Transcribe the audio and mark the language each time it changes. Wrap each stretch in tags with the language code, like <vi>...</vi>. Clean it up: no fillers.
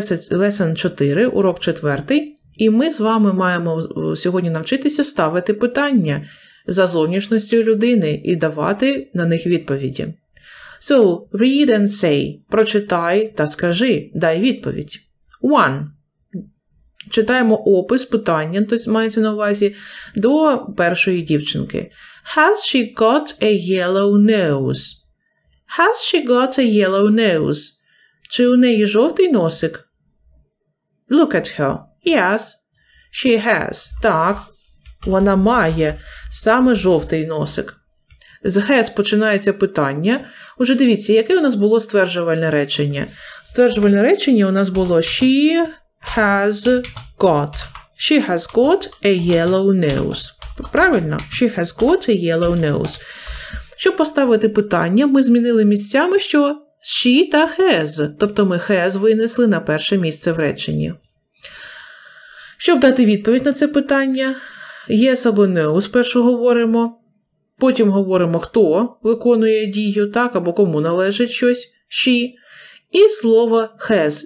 <en>Lesson 4,</en> <uk>урок 4, і ми з вами маємо сьогодні навчитися ставити питання за зовнішністю людини і давати на них відповіді.</uk> <en>So, read and say,</en> <uk>прочитай та скажи, дай відповідь. One, читаємо опис питання, тобто мається на увазі, до першої дівчинки.</uk> <en>Has she got a yellow nose? Has she got a yellow nose?</en> <uk>Чи у неї жовтий носик?</uk> <en>Look at her. Yes, she has.</en> <uk>Так, вона має саме жовтий носик. З has починається питання. Уже дивіться, яке у нас було стверджувальне речення? Стверджувальне речення у нас було</uk> <en>she has got. She has got a yellow nose.</en> <uk>Правильно?</uk> <en>She has got a yellow nose.</en> <uk>Щоб поставити питання, ми змінили місцями, що she та has, тобто ми has винесли на перше місце в реченні. Щоб дати відповідь на це питання, yes або no, спершу говоримо, потім говоримо, хто виконує дію, так, або кому належить щось, she, і слово has.</uk>